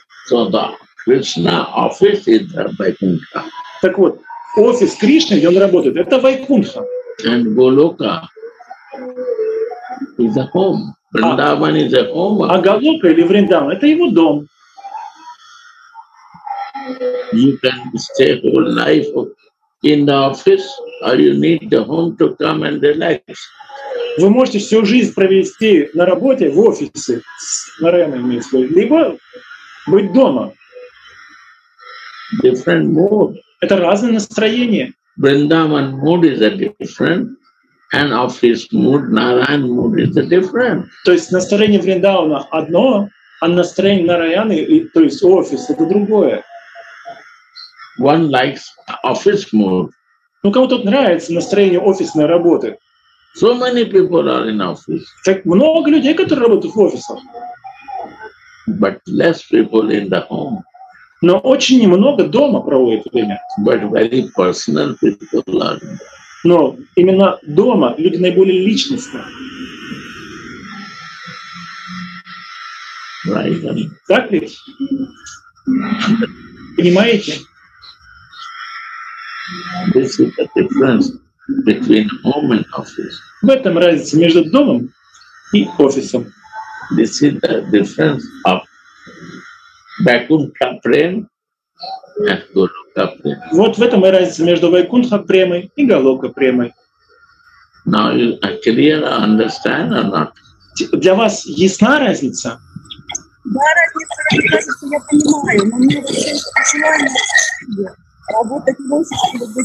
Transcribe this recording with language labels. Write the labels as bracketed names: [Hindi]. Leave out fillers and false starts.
[English] So the Krishna office is the Vaikuntha. [Russian] Так вот, офис Кришны, где он работает, это Вайкунтха. [English] And Голока is a home. Vrindavan is a home. [Russian] А Голока или Вриндаван — это его дом. [English] You can stay whole life in the office, or you need the home to come and relax. [Russian] Вы можете всю жизнь провести на работе в офисе с Нареной, либо быть дома. [English] Different mode. [Russian] Это разное настроение. [English] Vrindavan mood is a different, and office mood, Narayan mood is a different. [Russian] То есть настроение Вриндавана одно, а настроение Нараяны, то есть офис, это другое. [English] One likes office mood. [Russian] Ну, кому-то нравится настроение офисной работы. [English] So many people are in office. [Russian] Так много людей, которые работают в офисах. [English] But less people in the home. [Russian] Но очень немного дома проводят время. [English] But very personal people are. [Russian] Но именно дома люди наиболее личностные. [English] Right. [Russian] Так ведь? Понимаете? [English] This is the difference between home and office. [Russian] В этом разница между домом и офисом. [English] This is the difference of Vaikuntha Prem and Goloka Prem. [Russian] Вот в этом и разница между Вайкунтха Премой и Голока Премой. [English] Now you clearly understand or not? [Russian] Для вас ясна разница? Да, разница, я понимаю, но мне вообще очень.